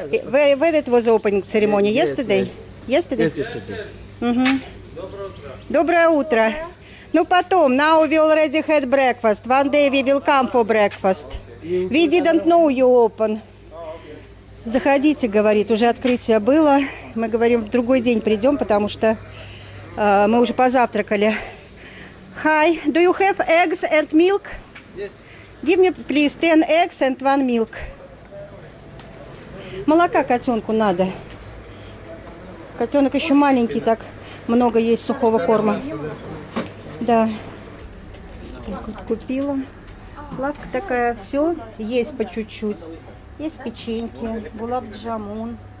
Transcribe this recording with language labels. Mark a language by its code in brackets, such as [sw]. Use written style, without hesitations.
[en] Where that was opening ceremony? Yesterday? Yesterday. [ru] Доброе утро. Ну потом, [en] now we already had breakfast. One day we will come for breakfast. We didn't know you open. [ru] Заходите, говорит, уже открытие было. Мы говорим, в другой день придем, потому что мы уже позавтракали. [en] Hi, do you have eggs and milk? Yes. Give me, please, 10 eggs and 1 milk. [ru] Молока котенку надо. Котенок еще маленький, так много есть сухого корма. Да. Купила. Лавка такая, все, есть по чуть-чуть. Есть печеньки, булав джамун.